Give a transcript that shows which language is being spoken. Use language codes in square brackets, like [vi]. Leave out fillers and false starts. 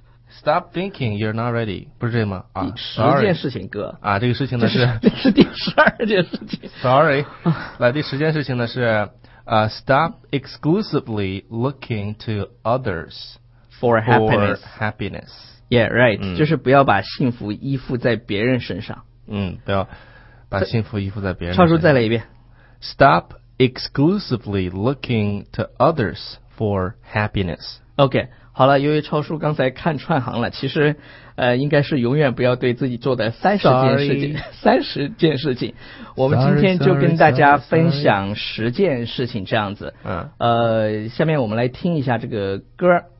[en] Stop thinking you're not ready， [zh] 不是这吗？啊，第十件事情，哥啊，这个事情呢是这是第十二件事情。 [en] Sorry， [zh] 来，第十件事情呢是 [en] stop exclusively looking to others for happiness。 Yeah， right， [zh] 就是不要把幸福依附在别人身上。嗯，不要把幸福依附在别人身上。超叔再来一遍。 [en] Stop exclusively looking to others for happiness。 [zh] OK， 好了，由于超叔刚才看串行了，其实。应该是永远不要对自己做的三十件事情。我们今天就跟大家分享十件事情这样子。下面我们来听一下这个歌，